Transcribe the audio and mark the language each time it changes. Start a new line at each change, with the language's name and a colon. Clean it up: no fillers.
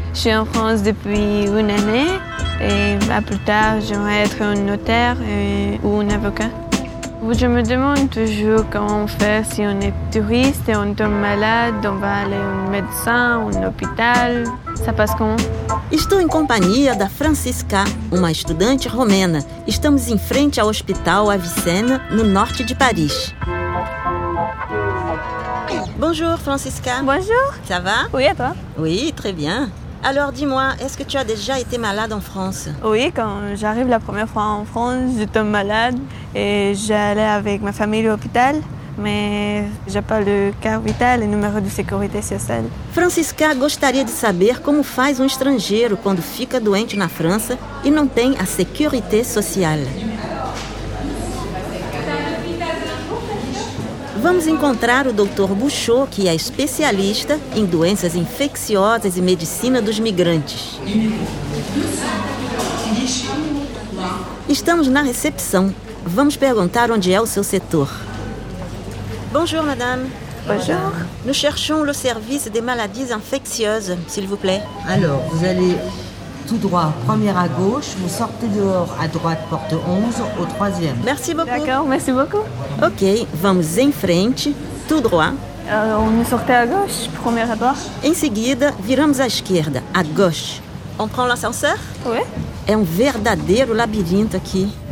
French: Je suis en France depuis une année et bah, plus tard, j'aimerais être un notaire ou un avocat. Je me demande toujours comment faire si on est touriste et on tombe malade, on va aller à un médecin, à un hôpital. Ça passe comment?
Portuguese: Estou em companhia da Francisca, uma estudante romena. Estamos em frente ao Hospital Avicenna, no norte de Paris.
French: Bonjour, Francisca. Bonjour. Ça va? Oui, et toi? Oui, très bien. Alors, dis-moi, est-ce que tu as déjà été malade en France? Oui, quand j'arrive la première fois en France, je tombe malade et j'allais avec ma famille à l'hôpital.
Portuguese: Mas já
French: pas le carte vitale et numéro de sécurité sociale.
Portuguese: Francisca gostaria de saber como faz um estrangeiro quando fica doente na França e não tem a sécurité sociale. Vamos encontrar o Dr. Bouchot, que é especialista em doenças infecciosas e medicina dos migrantes. Estamos na recepção. Vamos perguntar onde é o seu setor.
French: Bonjour madame. Bonjour. Nous cherchons le service des maladies infectieuses, s'il vous plaît. Alors, vous allez tout droit, première à gauche, vous sortez dehors à droite, porte 11, au troisième. Merci beaucoup. D'accord, merci beaucoup.
Portuguese: Ok, vamos em frente,
French: tout droit. On sort à gauche, première à droite.
Portuguese: Em seguida, viramos à esquerda,
French: à gauche. On prend l'ascenseur? Oui.
Portuguese: É verdadeiro labirinto aqui.